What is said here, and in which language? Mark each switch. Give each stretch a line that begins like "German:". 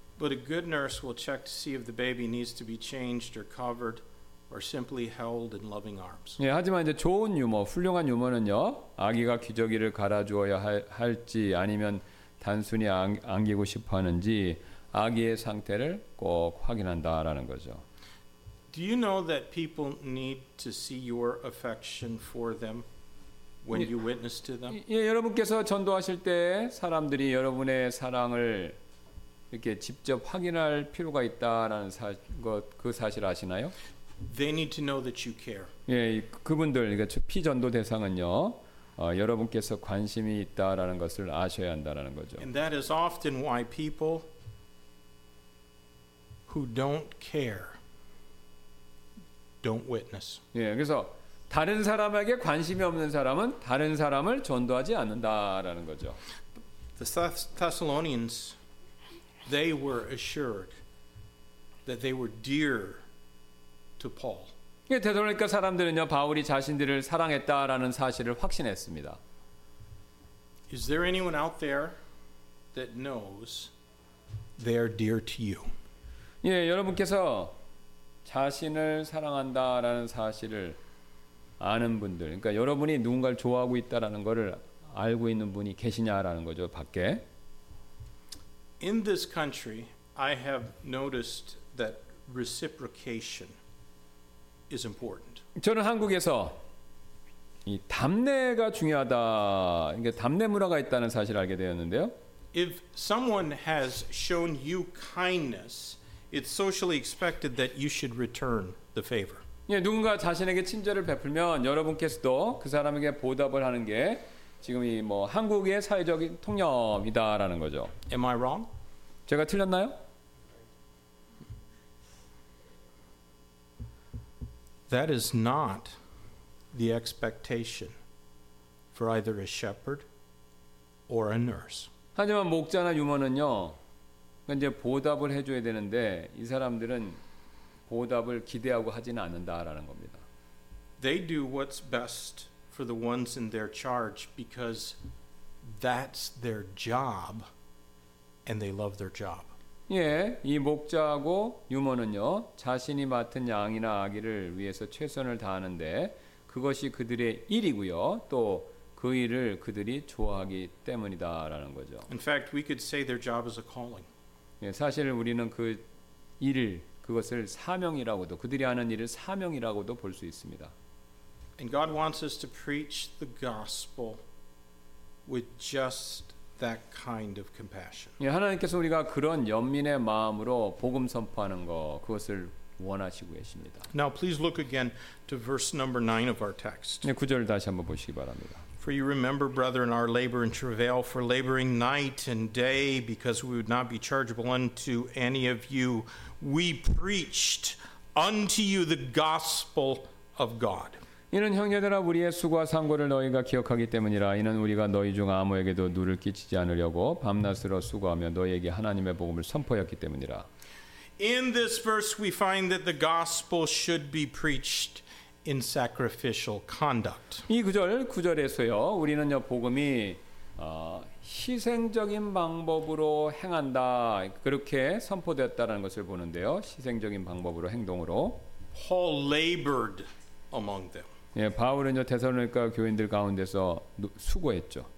English: But a good nurse will check to see if the baby needs to be changed or covered or simply held in loving arms.
Korean: 예, 하지만 이제 좋은 유머, 훌륭한 유머는요. 아기가 기저귀를 갈아주어야 할지 아니면 단순히 안기고 싶어 하는지 아기의 상태를 꼭 확인한다라는 거죠.
English: Do you know that people need to see your affection for them? When you witness to them.
Korean: 예, 여러분께서 전도하실 때 사람들이 여러분의 사랑을 이렇게 직접 확인할 필요가 있다라는 그 사실 아시나요?
English: They need to know that you care.
Korean: 예, 그분들 그러니까 피전도 대상은요. 여러분께서 관심이 있다라는 것을 아셔야 한다라는 거죠.
English: And that is often why people who don't care don't witness.
Korean: 예, 그래서 다른 사람에게 관심이 없는 사람은 다른 사람을 전도하지 않는다라는 거죠.
English: The Thessalonians, they were assured that they were dear to Paul.
Korean: 예, 데살로니가 사람들은요, 바울이 자신들을 사랑했다라는 사실을 확신했습니다.
English: Is there anyone out there that knows they are dear to you?
Korean: 예, 여러분께서 자신을 사랑한다라는 사실을 아는 분들, 그러니까 여러분이 누군가를 좋아하고 있다라는 것을 알고 있는 분이 계시냐라는 거죠 밖에.
English: In this country, I have noticed that reciprocation is important.
Korean: 저는 한국에서 이 답례가 중요하다, 그러니까 답례 문화가 있다는 사실을 알게 되었는데요.
English: If someone has shown you kindness, it's socially expected that you should return the favor.
Korean: 예, 누군가 자신에게 친절을 베풀면 여러분께서도 그 사람에게 보답을 하는 게 지금 이 뭐 한국의 사회적인 통념이다라는 거죠.
English: Am I wrong?
Korean: 제가 틀렸나요?
English: That is not the expectation for either a shepherd or a nurse.
Korean: 하지만 목자나 유머는요, 이제 보답을 해줘야 되는데 이 사람들은 보답을 기대하고 하지는 않는다라는 겁니다.
English: They do what's best for the ones in their charge because that's their job and they love their job.
Korean: 예, 이 목자하고 유머는요, 자신이 맡은 양이나 아기를 위해서 최선을 다하는데 그것이 그들의 일이고요. 또 그 일을 그들이 좋아하기 때문이다라는 거죠.
English: In fact, we could say their job is a calling.
Korean: 예, 사실 우리는 그 일을 그것을 사명이라고도 그들이 하는 일을 사명이라고도 볼 수 있습니다.
English: And God wants us to preach the gospel with just that kind of compassion.
Korean: 예, 하나님께서 우리가 그런 연민의 마음으로 복음 선포하는 거 그것을 원하시고 계십니다.
English: Now please look again to verse number 9 of our text.
Korean: 예, 구절을 다시 한번 보시기 바랍니다.
English: For you remember, brethren, our labor and travail, for laboring night and day, because we would not be chargeable unto any of you, we preached unto you the gospel of God.
Korean: 이는 형제들아 우리의 수고와 상고를 너희가 기억하기 때문이라 이는 우리가 너희 중 아무에게도 누를 끼치지 않으려고 밤낮으로 수고하며 너희에게 하나님의 복음을 선포하였기 때문이라.
English: In this verse, we find that the gospel should be preached in sacrificial conduct.
Korean: 이 구절 구절에서요, 우리는요 복음이 희생적인 방법으로 행한다 그렇게 선포되었다라는 것을 보는데요, 희생적인 방법으로 행동으로.
English: Paul labored among them.
Korean: 예, 바울은요 데살로니가 교인들 가운데서 수고했죠.